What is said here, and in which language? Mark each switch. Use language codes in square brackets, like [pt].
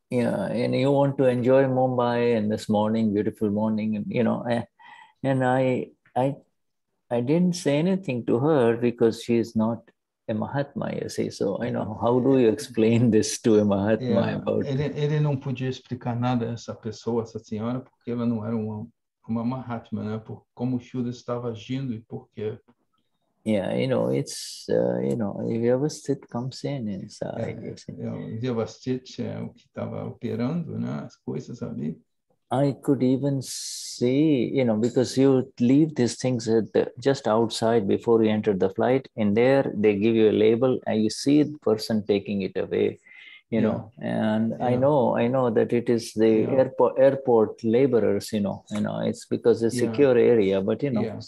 [en] Yeah, and you want to enjoy Mumbai and this morning, beautiful morning, and, you know. And I didn't say anything to her because she's not a Mahatma, you see. So, you know, how do you explain this to a Mahatma about... [pt] Ele não podia explicar nada a essa pessoa, essa senhora, porque ela não era uma Mahatma, né? Por como o Shuddha estava agindo e por quê. [en] Yeah, you know, it's, you know, if Vyavasthit comes in inside. [pt] Vyavasthit é o que estava operando, né? As coisas ali. [en] I could even see, you know, because you leave these things at the, just outside before you enter the flight, and there they give you a label and you see the person taking it away, you know, and I know that it is the airport laborers, you know, it's because it's a secure area, but you know,